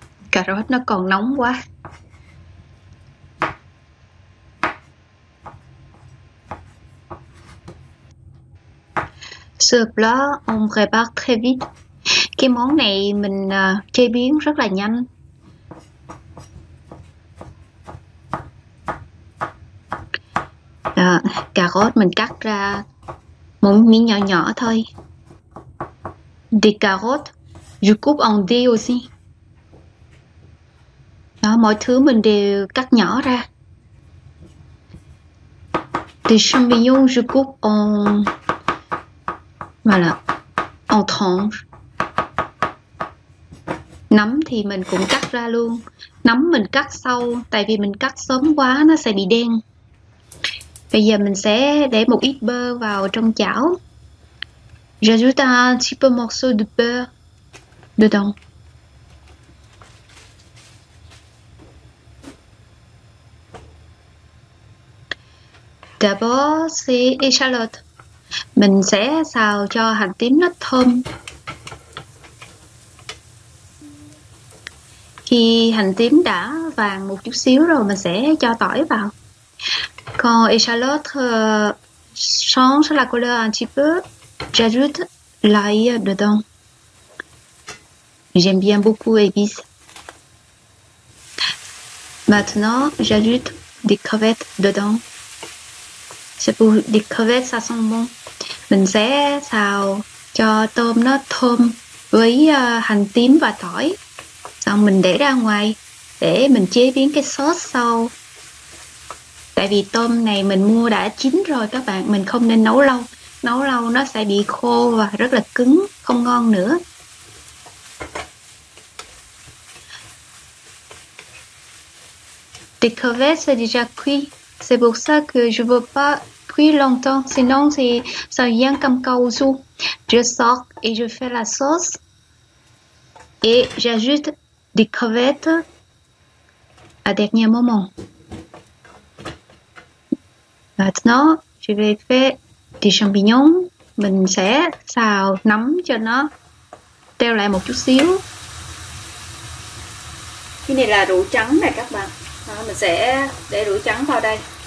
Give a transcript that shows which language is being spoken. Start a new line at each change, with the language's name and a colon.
Vietnamese: Cà rốt nó còn nóng quá.
French: Ce plat, on prépare très vite.
Vietnamese: Cái món này mình chế biến rất là nhanh. Cà rốt mình cắt ra một miếng nhỏ nhỏ thôi.
French: Des carottes, je coupe en dés aussi.
Vietnamese: Đó, mọi thứ mình đều cắt nhỏ ra.
French: Des champignons, je coupe en... Voilà. En tranches.
Vietnamese: Nấm thì mình cũng cắt ra luôn. Nấm mình cắt sau, tại vì mình cắt sớm quá nó sẽ bị đen. Bây giờ mình sẽ để một ít bơ vào trong chảo.
French: J'ajoute un petit peu morceau de beurre dedans. D'abord, c'est échalote.
Vietnamese: Mình sẽ xào cho hành tím nó thơm. Khi hành tím đã vàng một chút xíu rồi, mình sẽ cho tỏi vào.
French: Còn échalote change la couleur un petit peu. J'ajoute l'ail dedans. J'aime bien beaucoup épices. Maintenant, j'ajoute des crevettes dedans. C'est pour des crevettes, ça sent bon.
Vietnamese: Mình sẽ xào cho tôm nó thơm với hành tím và tỏi. Xong mình để ra ngoài để mình chế biến cái sốt sau. Tại vì tôm này mình mua đã chín rồi các bạn, mình không nên nấu lâu. Nấu lâu nó sẽ bị khô và rất là cứng, không ngon nữa.
French: Des crevettes, c'est déjà cuit. C'est pour ça que je veux pas cuire longtemps. Sinon, thì ça vient comme
Vietnamese: cao su.
French: Je sors et je fais la sauce. Et j'ajoute des crevettes à dernier moment. Maintenant, je vais faire des champignons.
Vietnamese: Mình sẽ xào nấm cho nó teo lại một chút xíu. Cái này là rượu trắng này các bạn. Đó, mình sẽ để rượu trắng vào đây.